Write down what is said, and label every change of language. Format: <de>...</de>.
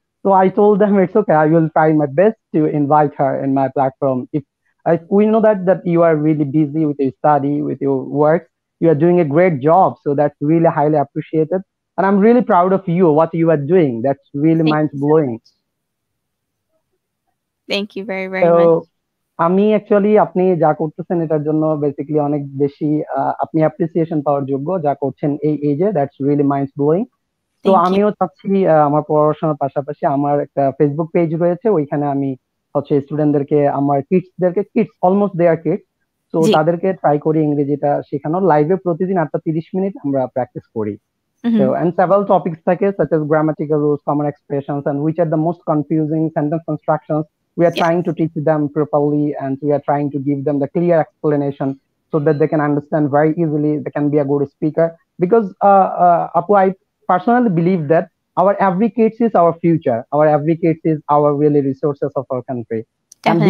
<en>So I told them, it's okay, I will try my best to invite her in my platform. If we know that you are really busy with your study, with your work, you are doing a great job. So that's really highly appreciated. And I'm really proud of you, what you are doing. That's really mind-blowing. Thank you very, very much.</en> <bn>আমি actually আপনি যা করতেছেন এটার জন্য basically অনেক বেশি আপনি appreciation পাওয়ার যোগ্য যা করছেন এই এজে,</bn> <en>That's really minds blowing.</en> <bn>তো আমিও চাচ্ছি আমার পড়াশোনার পাশাপাশি আমার একটা ফেসবুক পেজ রয়েছে, ওইখানে আমি হচ্ছে স্টুডেন্টদেরকে আমার কিডসদেরকে কিডস অলমোস্ট দে আর কিডস, তো তাদেরকে ট্রাই করি ইংরেজিটা শেখানোর। লাইভে প্রতিদিন 8-30 মিনিট আমরা প্র্যাকটিস করি।</bn> <en>So, and several topics</en> <bn>থাকে,</bn> <en>such as grammatical rules, common expressions, and which are the most confusing sentence constructions. We are trying to teach them properly and we are trying to give them the clear explanation so that they can understand very easily, they can be a good speaker. Because Apu, I personally believe that our every kid is our future, our every kid is our really resources of our country. Definitely.</en>